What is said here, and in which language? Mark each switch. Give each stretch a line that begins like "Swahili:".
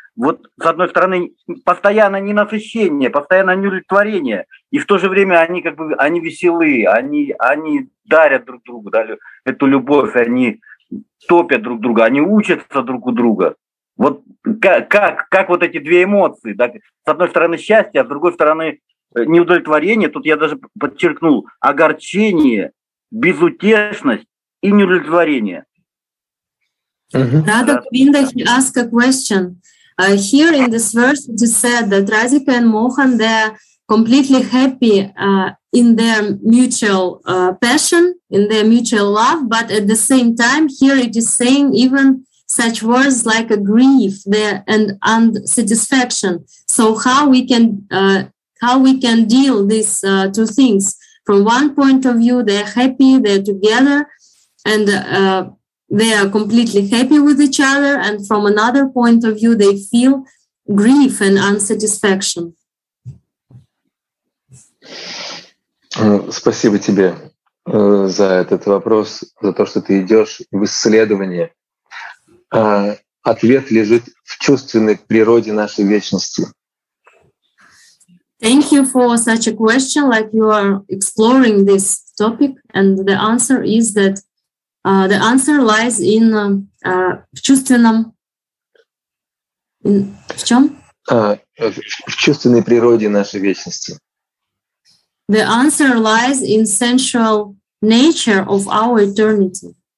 Russian: Вот, с одной стороны, постоянно ненасыщение, постоянно неудовлетворение, и в то же время они как бы они веселые, они дарят друг другу, да, эту любовь, они топят друг друга, они учатся друг у друга. Вот как вот эти две эмоции, да? С одной стороны, счастье, а с другой стороны, неудовлетворение, тут я даже подчеркнул, огорчение, безутешность и неудовлетворение.
English: Дада Гвинда, ask a question. Here in this verse, it is said that Radhika and Mohan, they are completely happy in their mutual passion, in their mutual love. But at the same time, here it is saying even such words like a grief and unsatisfaction. So how we can deal these two things? From one point of view, they're happy, they're together, and they are completely happy with each other, and from another point of view, they feel grief and unsatisfaction.
Russian: Спасибо тебе за этот вопрос, за то, что ты идешь в исследование. Ответ лежит в чувственной природе нашей вечности.
English: Thank you for such a question, like you are exploring this topic, and the answer is that the answer lies in
Russian: чувственном. В чем? В чувственной природе нашей вечности.
English: The answer lies in sensual nature of our eternity.